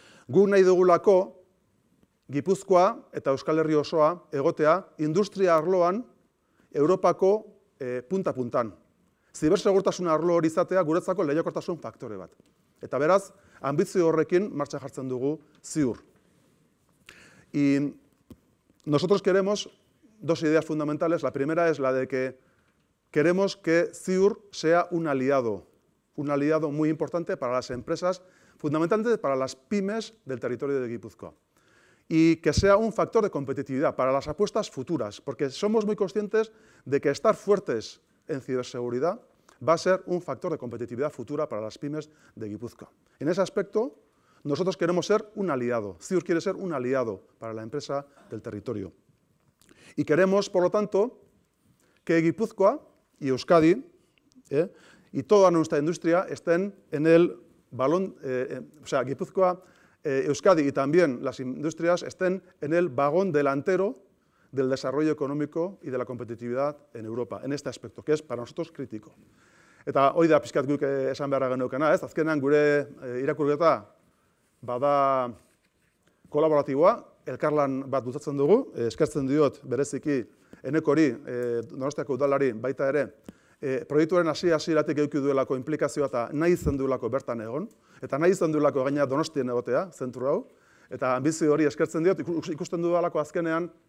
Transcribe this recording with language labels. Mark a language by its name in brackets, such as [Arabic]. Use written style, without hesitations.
[Basque] Guk nahi dugulako Gipuzkoa eta Euskal Herri osoa egotea industria arloan Europako punta-puntan. Zibersegurtasun arlo hori izatea guretzako lehiakortasun faktore bat. Eta beraz, ambizio horrekin martxan jartzen dugu ziur. [Spanish] Nosotros queremos dos ideas fundamentales. La primera es la de que queremos que ziur sea un aliado muy importante para las empresas, fundamentalmente para las pymes del territorio de Gipuzkoa. Y que sea un factor de competitividad para las apuestas futuras, porque somos muy conscientes de que estar fuertes en ciberseguridad va a ser un factor de competitividad futura para las pymes de Gipuzkoa. En ese aspecto, nosotros queremos ser un aliado, ziur quiere ser un aliado para la empresa del territorio. Y queremos, por lo tanto, que Gipuzkoa y Euskadi y toda nuestra industria estén en el balón, Gipuzkoa, Euskadi y también las industrias estén en el vagón delantero del desarrollo económico y de la competitividad en Europa, en este aspecto, que es para nosotros crítico. [Basque] Eta hoy da pixkat guk esan beharra genukena, ez? Azkenan gure irakurketa bada kolaboratiboa, elkarlan bat bultzatzen dugu, eskertzen diot bereziki enekori, Donostiako udalari baita ere, proiektuaren hasi-hasieratik eduki duelako inplikazioa eta nahi izan duelako bertan egon, eta nahi izan duelako gaina Donostien egotea, zentru hau, eta ambizio hori eskertzen diot, ikusten duelako azkenean,